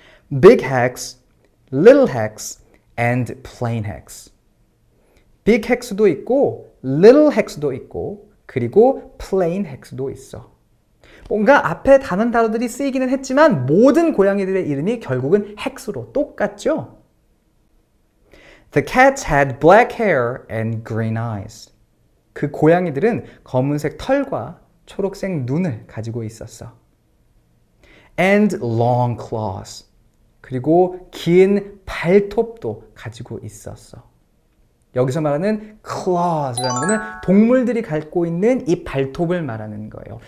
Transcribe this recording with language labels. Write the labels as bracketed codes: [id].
[en] Big Hex, Little Hex and Plain Hex. [ko] Big Hex도 있고, Little Hex도 있고, 그리고 Plain Hex도 있어. 뭔가 앞에 다른 단어들이 쓰이기는 했지만 모든 고양이들의 이름이 결국은 핵수로 똑같죠. [en] The cats had black hair and green eyes. [ko] 그 고양이들은 검은색 털과 초록색 눈을 가지고 있었어. [en] And long claws. [ko] 그리고 긴 발톱도 가지고 있었어. 여기서 말하는 claws라는 거는 동물들이 갖고 있는 이 발톱을 말하는 거예요.